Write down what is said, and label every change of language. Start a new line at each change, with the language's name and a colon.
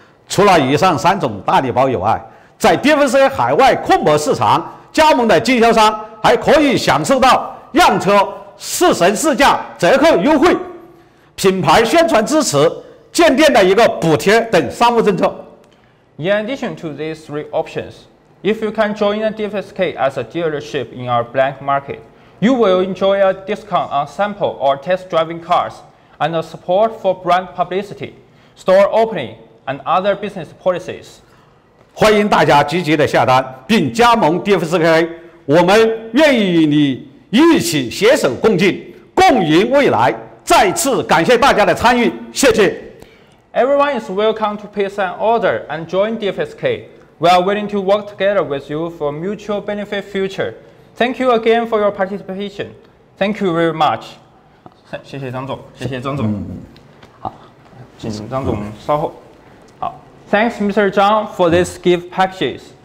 Chinese: 除了以上三种大礼包以外，在 DFSK 海外扩模市场加盟的经销商还可以享受到样车试乘试驾折扣优惠、品牌宣传支持、建店的一个补贴等商务政策。
English: In addition to these three options, if you can join the DFSK as a dealership in our black market, you will enjoy a discount on sample or test driving cars and a support for brand publicity, store opening, and other business policies.
Chinese: 欢迎大家积极地下单并加盟 DFSK， 我们愿意与你一起携手共进，共赢未来。再次感谢大家的参与，谢谢。
English: Everyone is welcome to place an order and join DFSK. We are willing to work together with you for mutual benefit future. Thank you again for your participation. Thank you very much.
Chinese: 谢谢张总，谢谢张总。好，请张总稍后。好
English: ，Thanks, Mr. Zhang, for this gift packages.